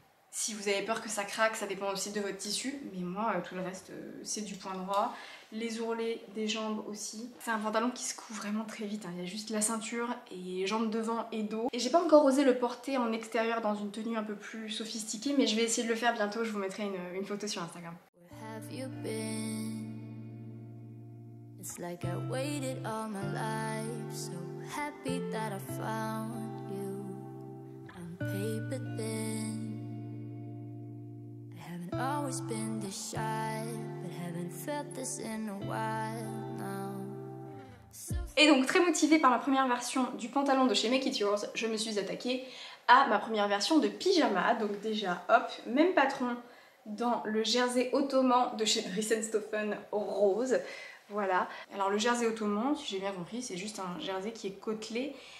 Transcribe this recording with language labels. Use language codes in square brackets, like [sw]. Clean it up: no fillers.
[fr] Si vous avez peur que ça craque, ça dépend aussi de votre tissu. Mais moi, tout le reste, c'est du point droit. Les ourlets des jambes aussi. C'est un pantalon qui se coud vraiment très vite. Hein. Il y a juste la ceinture et jambes devant et dos. Et j'ai pas encore osé le porter en extérieur dans une tenue un peu plus sophistiquée. Mais je vais essayer de le faire bientôt. Je vous mettrai une photo sur Instagram. [en] Where have you been? It's like I waited all my life. So happy that I found you. I'm paper thin. Always been this shy, but haven't felt this in a while now. [fr] Et donc très motivée par ma première version du pantalon de chez Make It Yours, je me suis attaquée à ma première version de pyjama. Donc déjà hop, même patron dans le jersey ottoman de chez Dressenstaufen rose. Voilà. Alors le jersey ottoman, si j'ai bien compris, c'est juste un jersey qui est côtelé.